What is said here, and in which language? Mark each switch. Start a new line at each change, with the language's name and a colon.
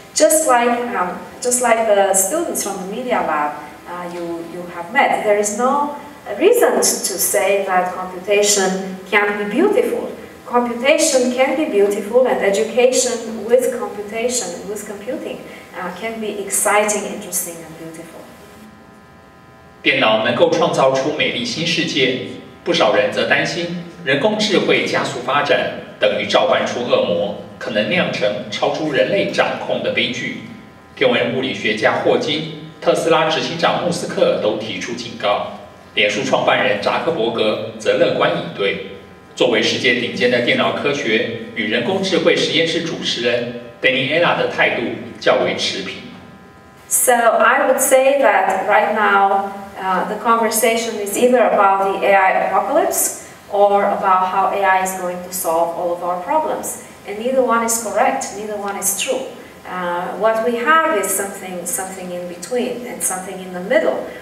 English: Just like the students from the Media Lab you have met, there is no reason to say that computation can't be beautiful. Computation can be beautiful, and education with computation, with computing, can be exciting, interesting, and beautiful.
Chinese: 电脑能够创造出美丽新世界，不少人则担心人工智慧加速发展等于召唤出恶魔，可能酿成超出人类掌控的悲剧。天文物理学家霍金、特斯拉执行长穆斯克都提出警告，脸书创办人扎克伯格则乐观以对。作为世界顶尖的电脑科学与人工智慧实验室主持人 Daniela 的态度较为持平。
English: So I would say that right now, the conversation is either about the AI apocalypse or about how AI is going to solve all of our problems. And neither one is correct, neither one is true. What we have is something in between and something in the middle.